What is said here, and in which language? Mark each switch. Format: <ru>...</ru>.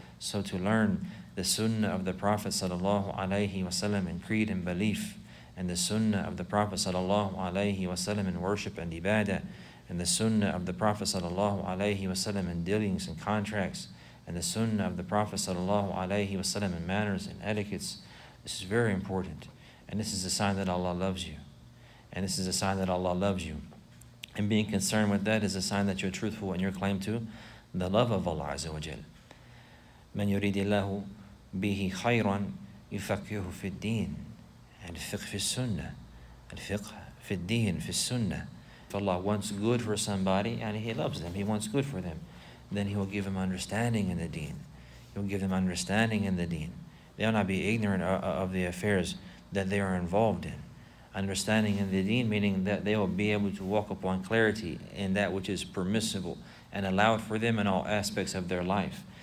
<en>So to learn the sunnah of the Prophet sallallahu alayhi wa sallam in creed and belief, and the sunnah of the Prophet sallallahu alayhi wa sallam in worship and ibadah, and the sunnah of the Prophet sallallahu alayhi wa sallam in dealings and contracts, and the sunnah of the Prophet sallallahu alayhi wa sallam in manners and etiquettes, this is very important. And this is a sign that Allah loves you. And this is a sign that Allah loves you. And being concerned with that is a sign that you're truthful in your claim to the love of Allah Azza wa Jal.</en> <ar>من يريد الله به خيرا يفقهه في الدين الفقه في السنة الفقه في الدين في السنة.</ar> <en>If Allah wants good for somebody, and he loves them, he wants good for them, then he will give him understanding in the deen. He'll give them understanding in the deen. They'll not be ignorant of the affairs that they are involved in. Understanding in the deen, meaning that they will be able to walk upon clarity in that which is permissible and allowed for them in all aspects of their life.</en>